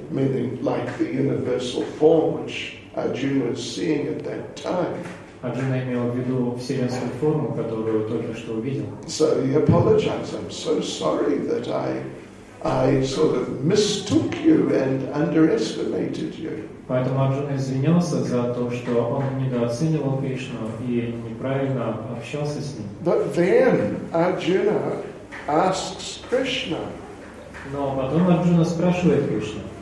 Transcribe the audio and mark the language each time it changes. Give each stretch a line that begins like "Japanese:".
English: Meaning like the universal form which Arjuna was seeing at that time.
Russian: Арджуна имел в виду вселенскую форму, которую только что увидел.
English: So he apologized. I'm so sorry that I sort of mistook you and underestimated you.
Russian: Поэтому Арджуна извинялся за то, что он недооценивал Кришну и неправильно общался с ним.
English: But then Arjuna asks Krishna.
Russian: Но потом Арджуна спрашивает Кришну.